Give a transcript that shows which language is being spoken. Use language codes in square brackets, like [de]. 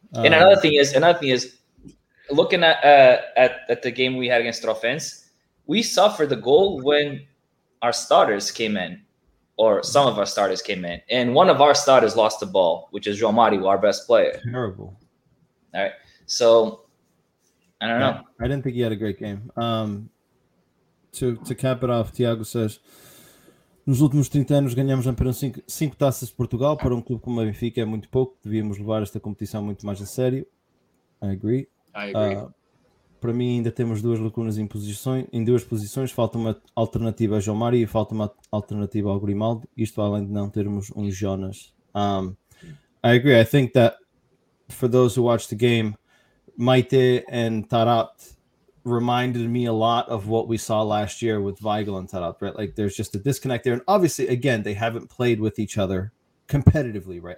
[en] And another thing is, looking at the game we had against Trofense, we suffered the goal when our starters came in, or some of our starters came in, and one of our starters lost the ball, which is João Mário, our best player. Terrible. All right, so. I don't know. Yeah, I didn't think he had a great game. To cap it off, Tiago says, [pt] nos últimos 30 anos ganhamos apenas 5 taças de Portugal. Para clube como a Benfica é muito pouco. Devíamos levar esta competição muito mais a sério. [en] I agree. [pt] Para mim ainda temos duas lacunas em, duas posições. Falta uma alternativa a João Mário e falta uma alternativa ao Grimaldo. Isto além de não termos um Jonas. [en] I agree. I think that for those who watch the game, Maite and Tarat reminded me a lot of what we saw last year with Weigl and Tarat, right? Like there's just a disconnect there. And obviously, again, they haven't played with each other competitively, right?